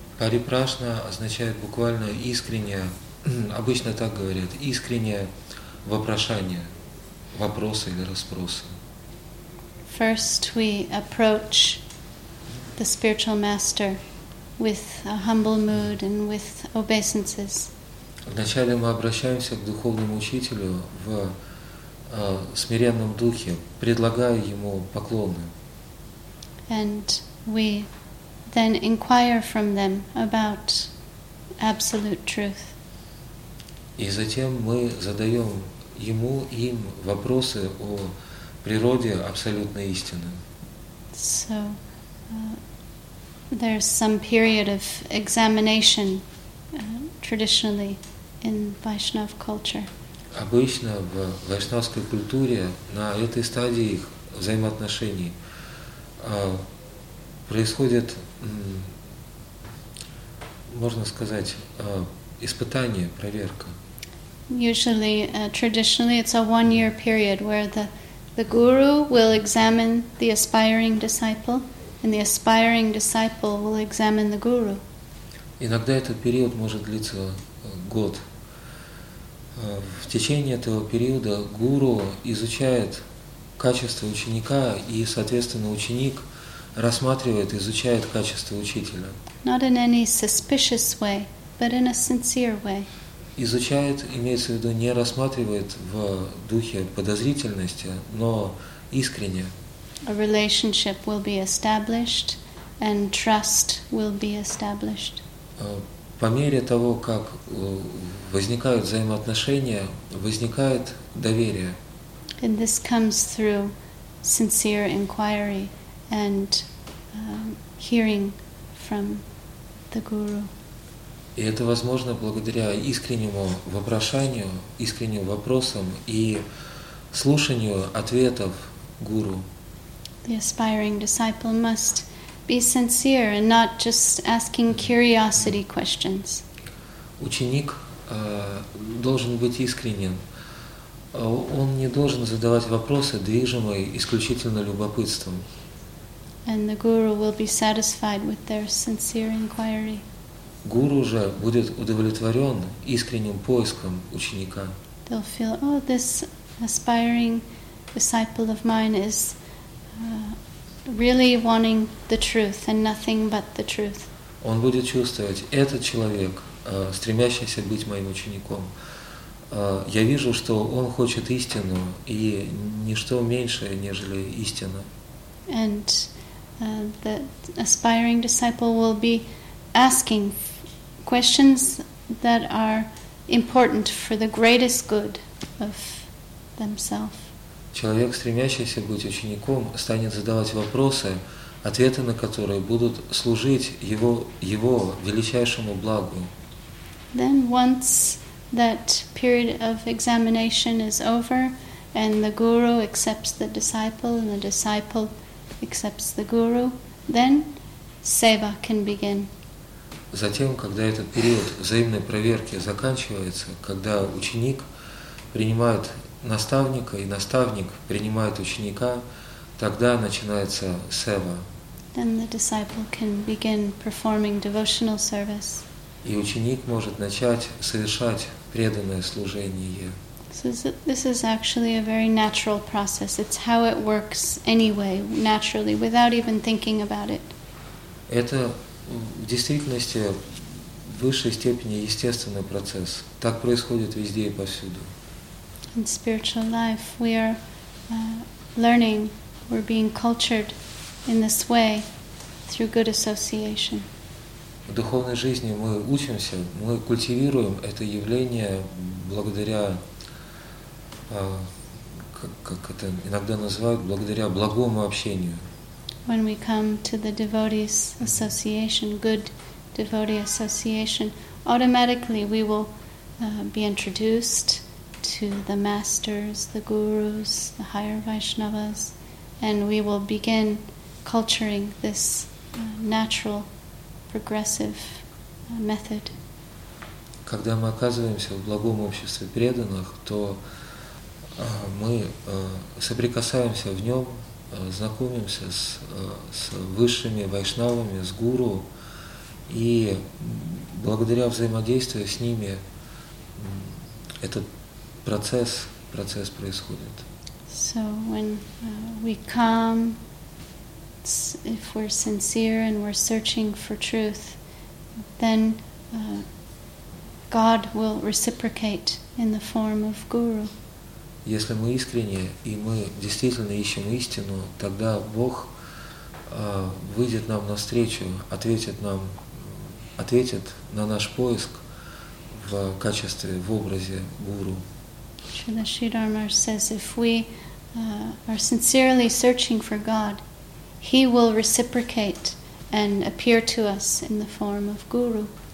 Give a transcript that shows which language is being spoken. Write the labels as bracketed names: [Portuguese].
[Russian] Pariprashna означает буквально искреннее, обычно так говорят, искреннее вопрошание, вопросы или расспросы. [English] First we approach the spiritual master with a humble mood and with obeisances. [Russian] Вначале мы обращаемся к духовному учителю в смиренном духе, предлагая ему поклоны. [English] And we then inquire from them about absolute truth. [Russian] И затем мы задаем ему им вопросы о природе абсолютной истины. [English] So, there's some period of examination traditionally in Vaishnav culture. [Russian] Обычно в вайшнавской культуре на этой стадии их взаимоотношений происходит, можно сказать, испытание, проверка. [English] Usually, traditionally, it's a one-year period where the guru will examine the aspiring disciple. And the aspiring disciple will examine the guru. [Russian] Иногда этот период может длиться год. В течение этого периода гуру изучает качество ученика, и, соответственно, ученик рассматривает, изучает качество учителя. [English] Not in any suspicious way, but in a sincere way. [Russian] Изучает, имеется в виду, не рассматривает в духе подозрительности, но искренне. [English] A relationship will be established, and trust will be established. [Russian] По мере того, как возникают взаимоотношения, возникает доверие. [English] And this comes through sincere inquiry and hearing from the guru. [Russian] И это возможно благодаря искреннему вопрошанию, искренним вопросам и слушанию ответов гуру. [English] The aspiring disciple must be sincere and not just asking curiosity questions. [Russian] Ученик должен быть искренним. Он не должен задавать вопросы, движимые исключительно любопытством. [English] And the guru will be satisfied with their sincere inquiry. [Russian] Гуру же будет удовлетворен искренним поиском ученика. [English] They'll feel, oh, this aspiring disciple of mine is really wanting the truth and nothing but the truth. [Russian] Он будет чувствовать, этот человек, стремящийся быть моим учеником, я вижу, что он хочет истину, и ничто меньшее, нежели истина. [English] And the aspiring disciple will be asking questions that are important for the greatest good of themselves. [Russian] Человек, стремящийся быть учеником, станет задавать вопросы, ответы на которые будут служить его величайшему благу. [English] Then once that period of examination is over and the guru accepts the disciple and the disciple accepts the guru, then seva can begin. [Russian] Затем, когда этот период взаимной проверки заканчивается, когда ученик принимает наставника и наставник принимает ученика, тогда начинается сева. [English] Then the disciple can begin performing devotional service. [Russian] И ученик может начать совершать преданное служение. [English] So this is actually a very natural process. It's how it works anyway, naturally, without even thinking about it. [Russian] Это в действительности в высшей степени естественный процесс. Так происходит везде и повсюду. [English] In spiritual life, we are learning, we're being cultured in this way through good association. [Russian] В духовной жизни мы учимся, мы культивируем это явление благодаря, как это иногда называют, благодаря благому общению. [English] When we come to the devotees association, good devotee association, automatically we will be introduced to the masters, the gurus, the higher Vaishnavas, and we will begin culturing this natural progressive method. [Russian] Когда мы оказываемся в благом обществе преданных, то мы соприкасаемся в нем, знакомимся с высшими вайшнавами, с гуру, и благодаря взаимодействию с ними этот процесс происходит. [English] So when we come, if we're sincere and we're searching for truth, then God will reciprocate in the form of guru. [Russian] Если мы искренне и мы действительно ищем истину, тогда Бог выйдет нам навстречу, ответит на наш поиск в качестве, в образе гуру. [English] Srila Sridharma says, if we are sincerely searching for God, He will reciprocate and appear to us in the form of guru.